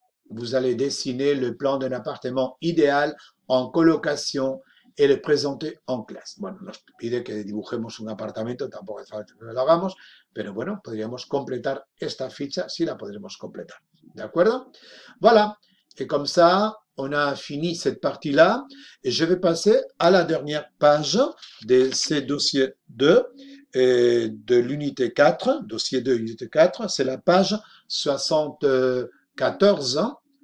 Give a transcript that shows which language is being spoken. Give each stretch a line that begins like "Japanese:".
French: Vous allez dessiner le plan d'un appartement idéal
Spanish: en colocación y
French: le presenter en clase.
Spanish: Bueno, nos pide que dibujemos un apartamento, tampoco es falta que lo hagamos, pero bueno, podríamos completar esta ficha, si la podremos completar, ¿de acuerdo?
French: Voilà, et comme ça, on a fini cette partie-là et je vais passer à la dernière page de ces dossiers 2 de l'unité 4, dossier 2, unité 4, c'est la page 74.